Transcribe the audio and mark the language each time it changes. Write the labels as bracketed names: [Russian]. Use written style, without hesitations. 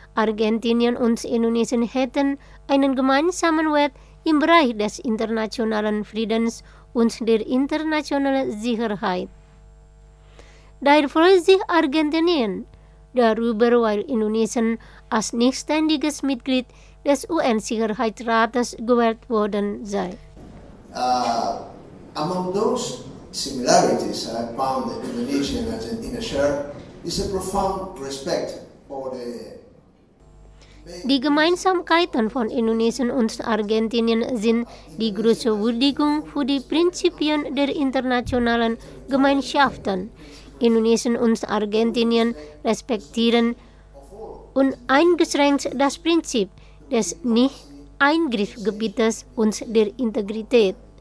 [German] Argentinien und Indonesien hätten einen gemeinsamen Wert im Bereich des internationalen Friedens und der internationalen Sicherheit. Daher freut sich Argentinien darüber, weil Indonesien als nichtständiges Mitglied des UN-Sicherheitsrates gewählt worden sei. [English] Among those similarities I found that Indonesia and Argentina share is a profound respect for the... [German] Die Gemeinsamkeiten von Indonesien und Argentinien sind die große Würdigung für die Prinzipien der internationalen Gemeinschaften. Indonesien und Argentinien respektieren uneingeschränkt das Prinzip des Nicht-Eingriffgebietes und der Integrität.